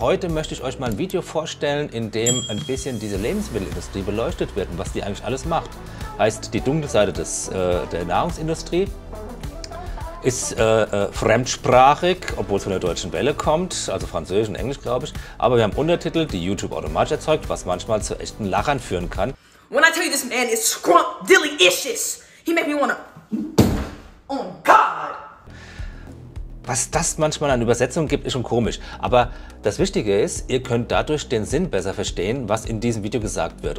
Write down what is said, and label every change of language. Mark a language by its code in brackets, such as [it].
[de] Heute möchte ich euch mal ein Video vorstellen, in dem ein bisschen diese Lebensmittelindustrie beleuchtet wird und was die eigentlich alles macht. Heißt, die dunkle Seite der Nahrungsindustrie ist fremdsprachig, obwohl es von der deutschen Welle kommt, also Französisch und Englisch, glaube ich. Aber wir haben Untertitel, die YouTube automatisch erzeugt, was manchmal zu echten Lachern führen kann. [en] When I tell you this man is scrump-dilly-ishes, he made me wanna... Oh God! [de] Was das manchmal an Übersetzungen gibt, ist schon komisch. Aber das Wichtige ist, ihr könnt dadurch den Sinn besser verstehen, was in diesem Video gesagt wird.